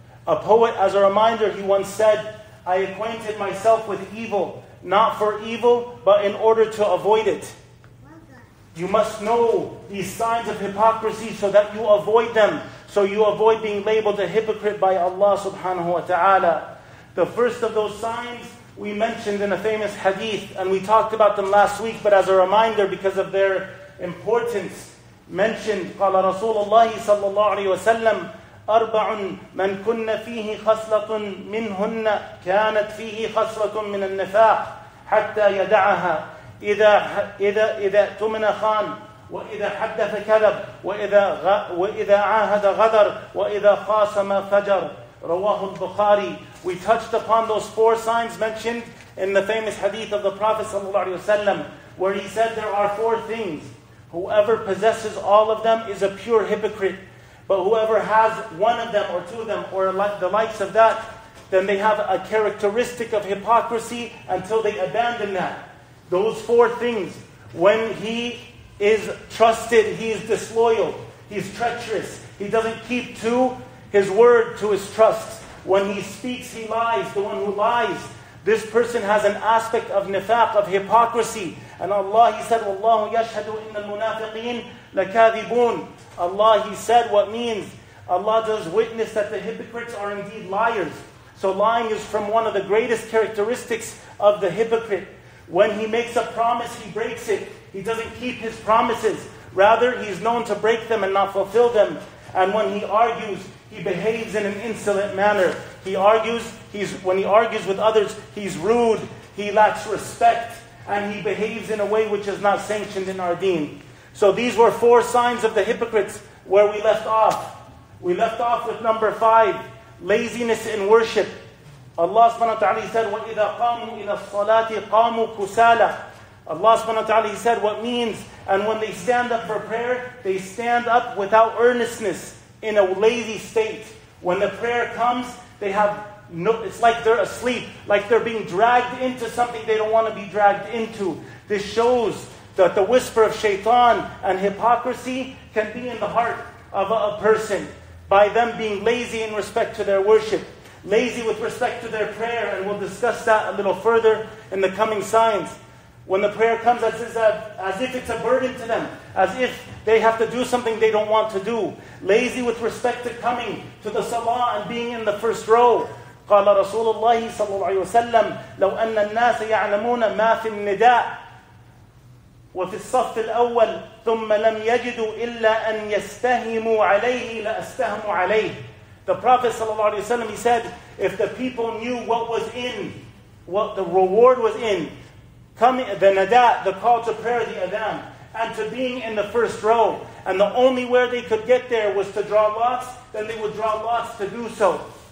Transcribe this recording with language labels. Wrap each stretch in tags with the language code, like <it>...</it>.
<en>A poet, as a reminder, he once said, I acquainted myself with evil, not for evil, but in order to avoid it. You must know these signs of hypocrisy so that you avoid them, so you avoid being labeled a hypocrite by Allah subhanahu wa ta'ala. The first of those signs we mentioned in a famous hadith, and we talked about them last week, but as a reminder, because of their importance, mentioned,</en> <ar>قَالَ رَسُولَ اللَّهِ صَلَّى اللَّهُ عَلَيْهِ وَسَلَّمْ أَرْبَعٌ مَنْ كُنَّ فِيهِ خَصْلَةٌ مِنْهُنَّ كَانَتْ فِيهِ خَصْلَةٌ مِنَ النَّفَاقِ حَتَّى يَدَعَهَا إِذَا تُمِنَ خَانٌ وَإِذَا حَدَّثَ كَذَبْ وَإِذَا عَاهَدَ غَدَرْ وَإِذَا خَاسَمَ فَجَرْ رَوَاهُ الْبُخَارِي.</ar> <en>We touched upon those four signs mentioned in the famous hadith of the Prophet ﷺ, where he said there are four things. Whoever possesses all of them is a pure hypocrite. But whoever has one of them or two of them or the likes of that, then they have a characteristic of hypocrisy until they abandon that. Those four things, when he is trusted, he is disloyal, he is treacherous, he doesn't keep to his word, to his trust. When he speaks, he lies. The one who lies, this person has an aspect of nifaq, of hypocrisy. And Allah, He said,</en> <ar>وَاللَّهُ يَشْهَدُ إِنَّ الْمُنَافِقِينَ لَكَاذِبُونَ.</ar> <en>Allah, He said, what means? Allah does witness that the hypocrites are indeed liars. So lying is from one of the greatest characteristics of the hypocrite. When he makes a promise, he breaks it. He doesn't keep his promises. Rather, he's known to break them and not fulfill them. And when he argues, he behaves in an insolent manner. When he argues with others, he's rude, he lacks respect, and he behaves in a way which is not sanctioned in our deen. So these were four signs of the hypocrites where we left off. We left off with number five, laziness in worship. Allah subhanahu wa ta'ala said,</en> <ar>وَإِذَا قَامُوا إِلَى الصَّلَاةِ قَامُوا كُسَالَةً.</ar> <en>Allah subhanahu wa ta'ala, he said, what means, and when they stand up for prayer, they stand up without earnestness, in a lazy state. When the prayer comes, they have no, it's like they're asleep, like they're being dragged into something they don't want to be dragged into. This shows that the whisper of shaitan and hypocrisy can be in the heart of a person by them being lazy in respect to their worship, lazy with respect to their prayer, and we'll discuss that a little further in the coming signs. When the prayer comes, as if it's a burden to them, as if they have to do something they don't want to do. Lazy with respect to coming to the salah and being in the first row.</en> <ar>قال رسول الله صلى الله عليه وسلم لو أن الناس يعلمون ما في النداء وفي الصف الأول ثم لم يجدوا إلا أن يستهموا عليه لأستهموا عليه.</ar> <en>The Prophet</en> <ar>صلى الله عليه وسلم,</ar> <en>he said, if the people knew what was in, what the reward was in, coming, the nada, the call to prayer, the adhan, and to being in the first row, and the only way they could get there was to draw lots, then they would draw lots to do so.</en>